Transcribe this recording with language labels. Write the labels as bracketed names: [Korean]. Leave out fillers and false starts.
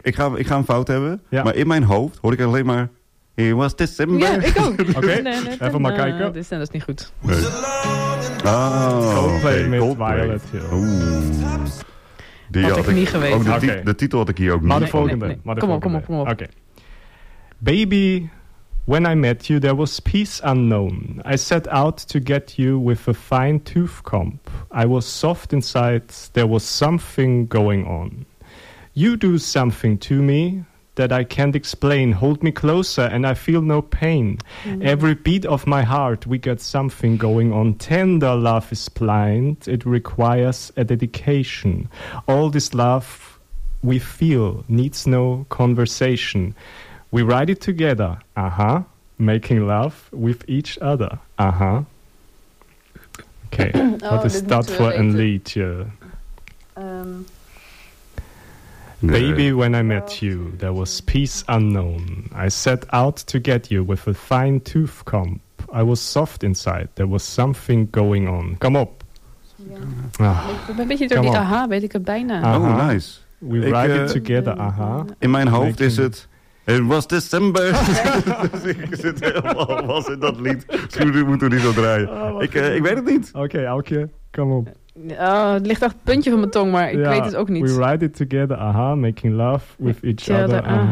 [Dutch] Ik ga een fout hebben, maar in mijn hoofd hoor ik alleen maar... [English] It was December. [Dutch] Ja, ik ook. Okay. Even maar kijken. Dat is niet goed. Nee. Oh, Coldplay met Coldplay. Violet Hill. Die had ik niet geweest. Oh, de titel had ik hier ook niet. Maar de volgende. Nee. Kom op. Okay. [English] Baby, when I met you, there was peace unknown. I set out to get you with a fine tooth comb. I was soft inside. There was something going on. You do something to me that I can't explain. Hold me closer and I feel no pain. Every beat of my heart, we got something going on. Tender love is blind. It requires a dedication. All this love we feel needs no conversation. We ride it together, making love with each other, Okay, what is that for a lead? Baby, when I met you, there was peace unknown. I set out to get you with a fine tooth comb. I was soft inside. There was something going on. Come up. Yeah. [Dutch] Ik ben een beetje door die aha, weet ik het bijna. Oh, nice. [English] We ride it together, [Dutch] In mijn hoofd is het... [English] It was December. [Dutch] Dus ik zit helemaal was in dat lied. Misschien moeten we niet zo draaien. Ik weet het niet. Oké, Aukje, kom op. Het ligt echt het puntje van mijn tong, maar ik weet het ook niet. [English] We ride it together, making love with each other.